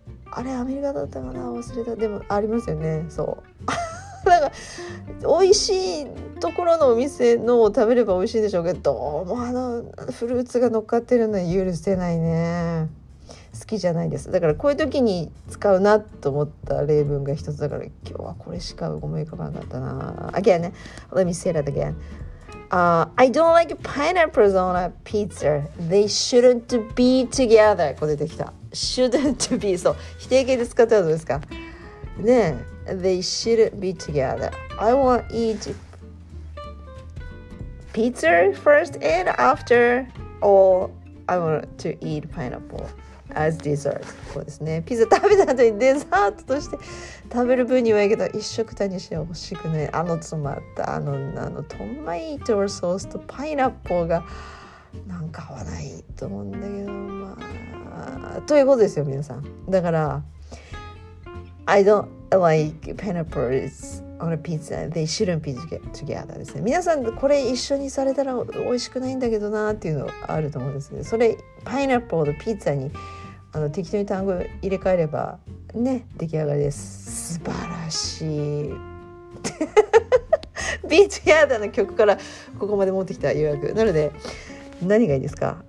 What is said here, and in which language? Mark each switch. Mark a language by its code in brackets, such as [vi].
[ja] あれアメリカだったかな、忘れた、でもありますよね。そうなんか美味しいところのお店のを食べれば美味しいでしょうけど、どうもあのフルーツが乗っかってるのは許せないね。好きじゃないです。だからこういう時に使うなと思った例文が一つだから、今日はこれしか思い浮かばなかったな。 [en] Again, let me say that again、I don't like pineapples on a pizza. They shouldn't be together. [ja] こう出てきた。 [en] Shouldn't be. [ja] そう、否定形で使ったらどうですかね。 [en] え、 They shouldn't be together. I want to eat pizza first and after all I want to eat pineappleAs dessert. [ja] こうですね。ピザ食べた後にデザートとして食べる分にはいいけど、一食単にしては欲しくない。あの詰まったあのトマトソースとパイナップルがなんか合わないと思うんだけど、まあ、ということですよ皆さん。だから [en] I don't like pineapples on a pizza. They shouldn't be together. [ja] ですね。皆さんこれ一緒にされたら美味しくないんだけどなっていうのあると思うんですけど、それパイナップルとピザにあの適当に単語入れ替えればね、出来上がりです。素晴らしいビーチヤーダーの曲からここまで持ってきた予約なので、何がいいですか。